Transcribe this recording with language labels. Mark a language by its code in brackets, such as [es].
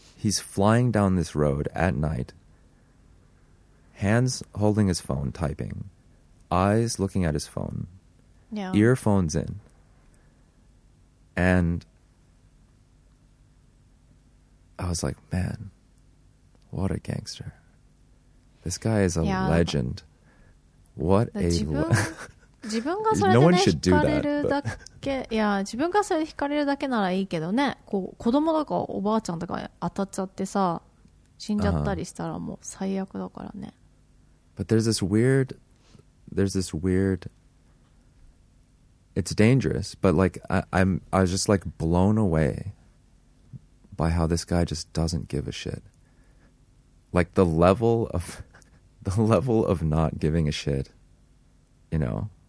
[en] He's flying down this road at night. Hands holding his phone, typing. Eyes looking at his phone. Yeah. Earphones in. And I was like, man, what a gangster. This guy is a legend. What a [ja] 自分がそれでね、惹かれるだけ、いや、自分がそれで惹かれるだけならいいけどね、こう、子供とかおばあちゃんとか当たっちゃってさ、死んじゃったりしたらもう最悪だからね。 [en] But there's this weird, it's dangerous, but like, I was just like blown away by how this guy just doesn't give a shit. Like the level of not giving a shit, you know,